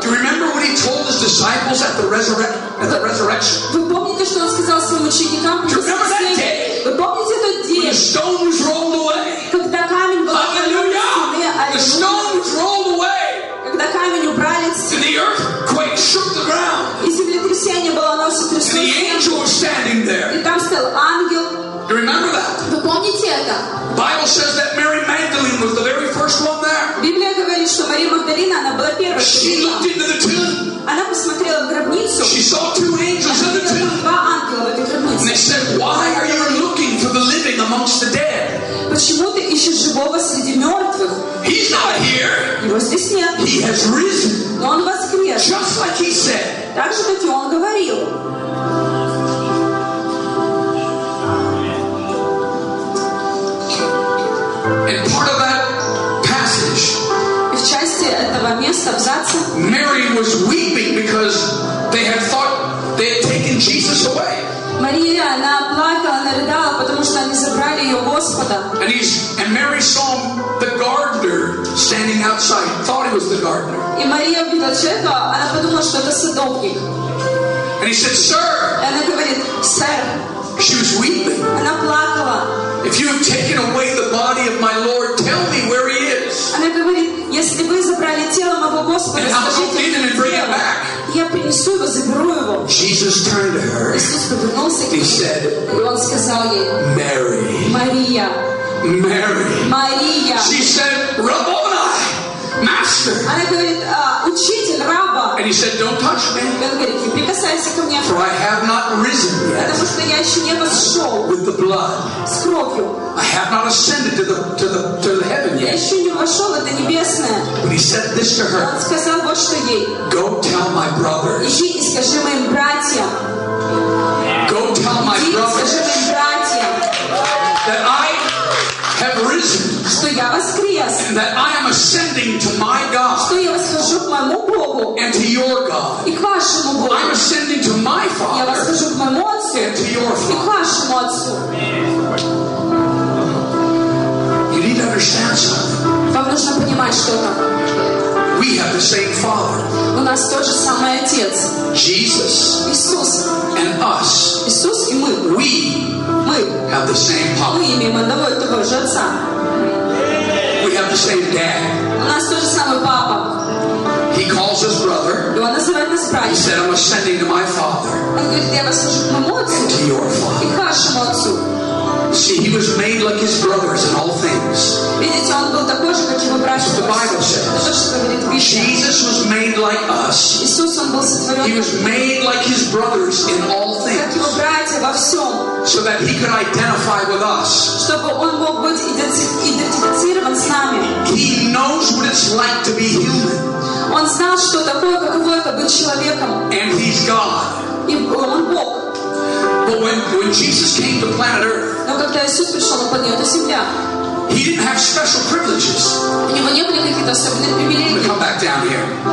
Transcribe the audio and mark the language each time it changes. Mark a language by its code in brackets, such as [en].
[en] Do you remember what he told his disciples at the resurrection? [ru] Вы помните, что он сказал своим ученикам? [en] Do you remember that day? [ru] Вы помните тот день? [en] When the stone was rolled away. [ru] Когда камень был убран. [en] Hallelujah! The stone was rolled away. [ru] Когда камень убрали. [en] And the earthquake shook the ground. [ru] И землетрясение было, оно все тряслось. [en] And the angel was standing there. [ru] И там стоял ангел. [en] You remember that? Bible says that Mary Magdalene was the very first one there. [ru] Библия говорит, что Мария Магдалина, она была первой. [en] She looked into the tomb. [ru] Она посмотрела в гробницу. [en] She saw two angels in the tomb. [ru] Два ангела в этой гробнице. [en] And they said, "Why are you looking for the living amongst the dead?" [ru] Почему ты ищешь живого среди мертвых? [en] He's not here. [ru] Его здесь нет. [en] He has risen. [ru] Но он воскрес. [en] Just like he said. [ru] Так же, как и он говорил. [en] And part of that passage, [ru] в части этого места, абзаца, [en] Mary was weeping because they had thought they had taken Jesus away. [ru] Мария, она плакала, она рыдала, потому что они забрали ее Господа. [en] And Mary saw the gardener standing outside, thought he was the gardener. [ru] И Мария увидела человека, она подумала, что это садовник. [en] And he said, "Sir." [ru] И она говорит, сэр. [en] She was weeping. [ru] Она плакала. [en] If you have taken away the body of my Lord, tell me where he is. [ru] Она говорит, если вы забрали тело моего Господа, скажите мне, где он. Я принесу его, заберу его. [en] Jesus turned to her. [ru] Иисус повернулся к ней. [en] He said, Mary. [ru] Мария. [en] Mary. [ru] Мария. [en] She said, Rabboni, Master. [ru] Она говорит, учитель, раба. [en] And he said, Don't touch me. [ru] Он говорит, не прикасайся ко мне. [en] For I have not risen yet. [ru] Потому что я еще не восшел. [en] With the blood. [ru] С кровью. [en] I have not ascended to the heaven yet. [ru] Я еще не вошел в это небесное. [en] But he said this to her. [ru] Он сказал вот что ей. [en] Go tell my brothers. [ru] Иди и скажи моим братьям. [en] Go tell my brothers. That I have risen. [ru] Что я воскрес. [en] And that I am ascending to my God. [ru] Что я восхожу к моему Богу. [en] And to your God. [ru] И к вашему Богу. [en] I'm ascending to my Father. [ru] Я восхожу к моему Отцу. [en] And to your Father. [ru] И к вашему Отцу. [en] You need to understand something. [ru] Вам нужно понимать что-то. [en] We have the same Father. [ru] У нас тот же самый Отец. [en] Jesus. [ru] Иисус. [en] And us. [ru] Иисус и мы. [en] We. Have the same Father. [ru] Мы имеем одного и того же отца. [en] We have the same Dad. [ru] У нас тот же самый папа. [en] He calls us brother. [ru] И он называет нас братьями. [en] He said, "I'm ascending to my Father." [ru] Он говорит, я восхожу к моему отцу. [en] And to your Father. [ru] И к вашему отцу. [en] See, he was made like his brothers in all things. [ru] Видите, он был такой же, как его братья. [en] The Bible says. [ru] То, что говорит Библия. [en] Jesus was made like us. [ru] Иисус, он был сотворен. [en] He was made like his brothers in all things. [ru] Как его братья во всем. [en] So that he could identify with us. [ru] Чтобы он мог быть идентифицирован с нами. [en] He knows what it's like to be human. [ru] Он знал, что такое, каково это быть человеком. [en] And he's God. [ru] И он Бог. [en] But when Jesus came to planet Earth, he didn't have special privileges. Come back down here.